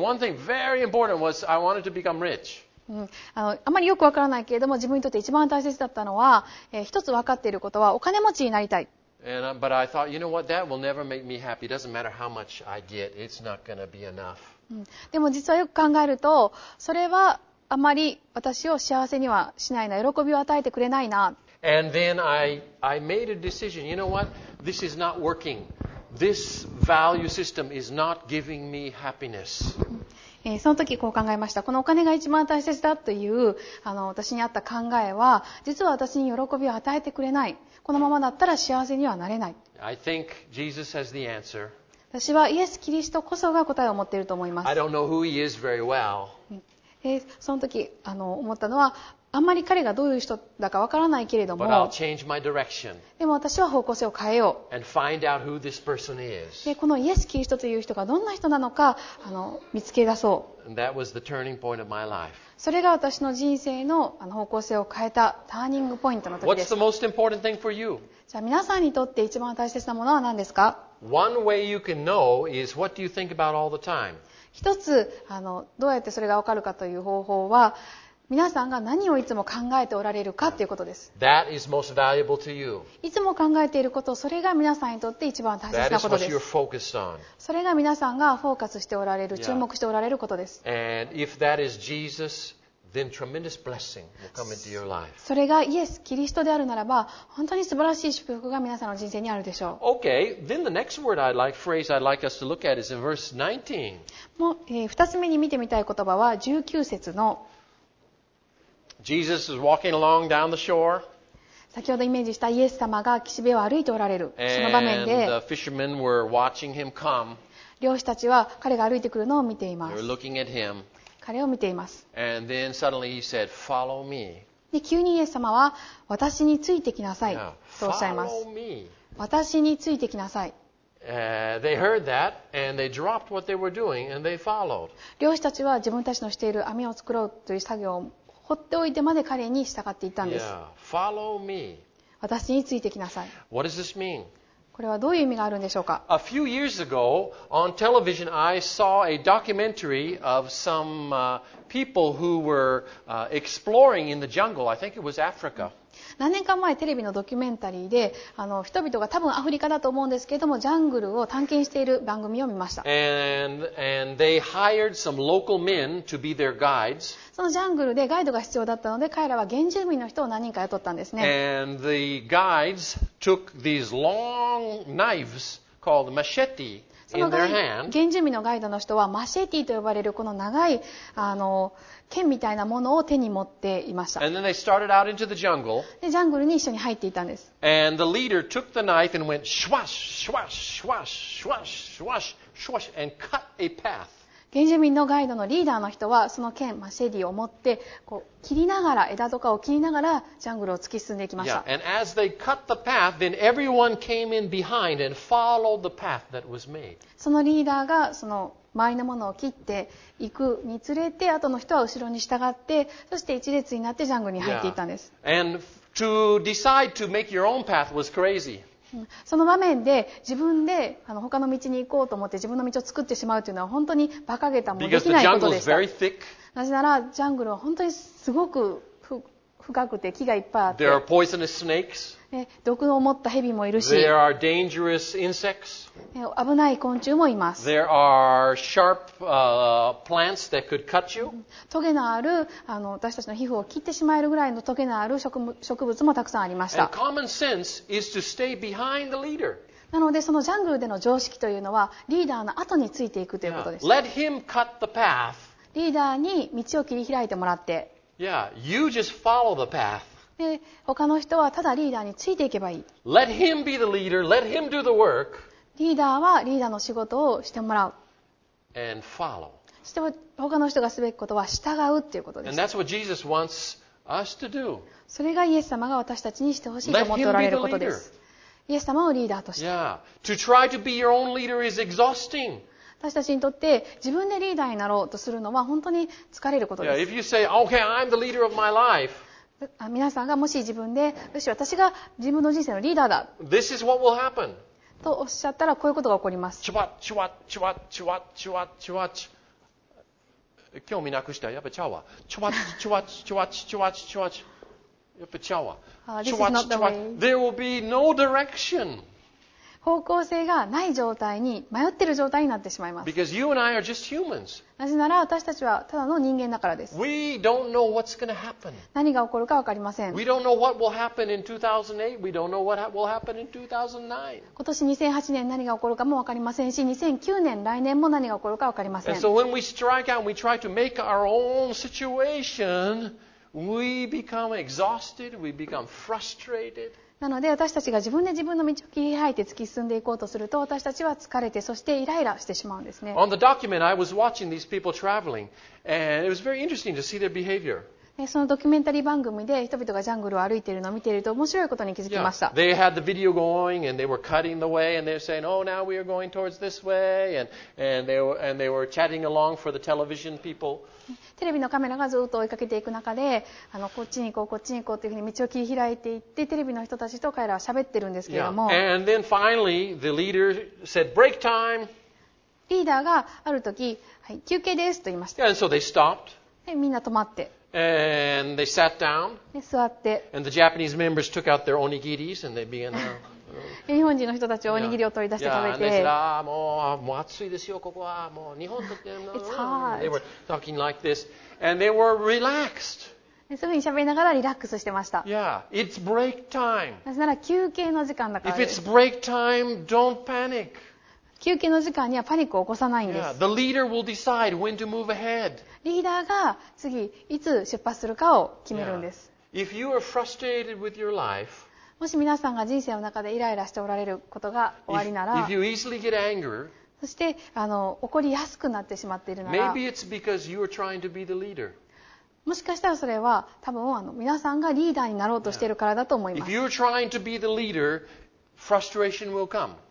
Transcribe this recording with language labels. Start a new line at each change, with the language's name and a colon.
English: One thing very important was I wanted to become rich.
Japanese: あまりよくわからないけれども、自分にとって一番大切だったのは、一つわかっていることはお金持ちになりたい。
English: But I thought, you know what? That will never make me happy. It doesn't matter how much I get. It's not going to be enough.
Japanese: でも実はよく考えると、それはあまり私を幸せにはしないな。喜びを与えてくれないな。
English: And then I made a decision. You know what? This is not working. This value system is not giving me happiness.
Japanese: その時こう考えました。このお金が一番大切だという私にあった考えは、実は私に喜びを与えてくれない。このままだったら幸せにはなれない。
English: I think Jesus has the answer.
Japanese: 私はイエス・キリストこそが答えを持っていると思います。
English: I don't know who he is very well.
Japanese: その時思ったのは、あんまり彼がどういう人だかわからないけれども、でも私は方向性を変えよう。
English: And find out who this person is.
Japanese: で、このイエス・キリストという人がどんな人なのか見つけ出そう。
English: And that was the turning point of my life.
Japanese: それが私の人生の方向性を変えたターニングポイントの時です。
English: What's the most important thing for you?
Japanese: じゃあ皆さんにとって一番大切なものは何ですか？
English: One way you can know is what do you think about all the time?
Japanese: 一つどうやってそれがわかるかという方法は、皆さんが何をいつも考えておられるかということです。
English: That is most valuable to you.
Japanese: いつも考えていること、それが皆さんにとって一番大切なことです。
English: That is what you're focused on.
Japanese: それが皆さんがフォーカスしておられる、注目しておられることです。
English: And if that is Jesus, then tremendous blessing will come into your life.
Japanese: それがイエス・キリストであるならば、本当に素晴らしい祝福が皆さんの人生にあるでしょう。
English: Okay, then the next word I'd like, phrase I'd like us to look at is in verse 19.
Japanese: もう、二つ目に見てみたい言葉は19節の
English: Jesus is walking along down the shore.
Japanese: 先ほどイメージしたイエス様が岸辺を歩いておられるその場面で、
English: And the fishermen were watching him come.
Japanese: 漁師たちは彼が歩いてくるのを見ています。
English: They were looking at him.
Japanese: 彼を見ています。
English: And then suddenly he said, "Follow me."
Japanese: で、急にイエス様は私についてきなさいとおっしゃいます。
English: Follow
Japanese: me. 私についてきなさい。
English: They heard that and they dropped what they were doing and they followed.
Japanese: 漁師たちは自分たちのしている網を作ろうという作業を放っておいてまで彼に従っていたんです。
English: Yeah, follow me.
Japanese: 私についてきなさい。
English: What does this mean?
Japanese: これはどういう意味があるんでしょうか。
English: A few years ago, on television, I saw a documentary of some people who were exploring in the jungle. I think it was Africa.
Japanese: 何年か前テレビのドキュメンタリーで、人々が多分アフリカだと思うんですけれども、ジャングルを探検している番組を見ました。
English: And they hired some local men to be their guides.
Japanese: そのジャングルでガイドが必要だったので、彼らは原住民の人を何人か雇ったんですね。
English: And the guides took these long knives called machete in their hand.
Japanese: 原住民のガイドの人はマシェティと呼ばれるこの長い剣みたいなものを手に持っていました。
English: And then they started out into the jungle.
Japanese: で、ジャングルに一緒に入っていたんです。
English: And the leader took the knife and went swash, swash, swash, swash, swash, swash, and cut a path.
Japanese: 原住民のガイドのリーダーの人はその剣マシェディを持ってこう切りながら枝とかを切りながらジャングルを突き進んでいきました。
English: Yeah, and as they cut the path, then everyone came in behind and followed the path that was made.
Japanese: そのリーダーがその周りのものを切っていくにつれて、後の人は後ろに従って、そして一列になってジャングルに入っていったんです。
English: Yeah. And to decide to make your own path was crazy.
Japanese: その場面で自分で他の道に行こうと思って自分の道を作ってしまうというのは本当に馬鹿げたもできないことでした。なぜならジャングルは本当にすごく深くて木がいっぱいあって、
English: There are poisonous snakes.
Japanese: 毒を持った蛇もいるし、
English: There are dangerous insects.
Japanese: 危ない昆虫もいます。
English: There are sharp, plants that could cut you.
Japanese: トゲのある私たちの皮膚を切ってしまえるぐらいのトゲのある植物もたくさんありました。
English: And common sense is to stay behind the leader.
Japanese: なのでそのジャングルでの常識というのはリーダーの後についていくということです。
English: Yeah. Let him cut the path.
Japanese: リーダーに道を切り開いてもらって、
English: Yeah, you just follow the path.
Japanese: で、他の人はただリーダーについていけばいい。
English: Let him be the leader. Let him do the work.
Japanese: リーダーはリーダーの仕事をしてもらう。
English: And follow.
Japanese: そして他の人がすべきことは従うということです。
English: And that's what Jesus wants us to do.
Japanese: それがイエス様が私たちにしてほしいと思っておられることです。イエス様をリーダーとして。
English: Yeah. To try to be your own leader is exhausting.
Japanese: 私たちにとって自分でリーダーになろうとするのは本当に疲れることです。
English: Yeah. If you say, okay, I'm the leader of my life.
Japanese: 皆さんがもし自分で、よし、私が自分の人生のリーダーだ。
English: This is what will happen.
Japanese: とおっしゃったらこういうことが起こります。チュワッチュワッチュワッチュワッチュワッチュワッ、興味なくしたやっぱちゃうわ。チュワッチュワッチュワッチュワッチュワッ、やっぱちゃうわ。チュワッチュワッ、
English: There will be no direction.
Japanese: 方向性がない状態に、迷ってる状態になってしまいます。
English: Because you and I are just humans.
Japanese: なぜなら私たちはただの人間だからです。
English: We don't know what's going to happen.
Japanese: 何が起こるか分かりません。
English: We don't know what will happen in 2008. We don't know what will happen in 2009.
Japanese: 今年2008年何が起こるかも分かりませんし、2009年来年も何が起こるか分かりません。
English: And so when we strike out and we try to make our own situation, we become exhausted, we become frustrated.
Japanese: なので私たちが自分で自分の道を切り開いて突き進んでいこうとすると、私たちは疲れて、そしてイライラしてしまうんですね。
English: On the document, I was watching these people traveling, and it was very interesting to see their behavior.
Japanese: そのドキュメンタリー番組で人々がジャングルを歩いているのを見ていると面白いことに気づきました。
English: Yeah, they had the video going and they were cutting the way and they were saying, oh, now we are going towards this way, and they were chatting along for the television people.
Japanese: テレビのカメラがずっと追いかけていく中で、こっちに行こう、こっちに行こうというふうに道を切り開いていって、テレビの人たちと彼らは喋ってるんですけれども。
English: Yeah. And then finally, the leader said, break time.
Japanese: リーダーがある時、はい、休憩ですと言いました。
English: Yeah, and so they stopped.
Japanese: で、みんな止まって。
English: And they sat down.
Japanese: で、座って。
English: And the Japanese members took out their onigiris and they began to...
Japanese: 日本人の人たちはおにぎりを取り出して食べて、もう暑いですよここは、もう日本とって
English: It's hot. They were talking like this, and they were relaxed.
Japanese: そういうふうに喋りながらリラックスしてました。
English: Yeah, it's break time.
Japanese: なぜなら休憩の時間だからです。
English: If it's break time, don't panic.
Japanese: 休憩の時間にはパニックを起こさないんです。
English: Yeah, the leader will decide when to move ahead.
Japanese: リーダーが次いつ出発するかを決めるんです。
English: Yeah. If you are frustrated with your life.
Japanese: もし皆さんが人生の中でイライラしておられることがおありなら、
English: if you easily get anger,
Japanese: そして起こりやすくなってしまっているなら、
English: maybe it's because you are trying to be the leader.
Japanese: もしかしたらそれは多分皆さんがリーダーになろうとしているからだと思います。
English: If you're trying to be the leader, frustration will come.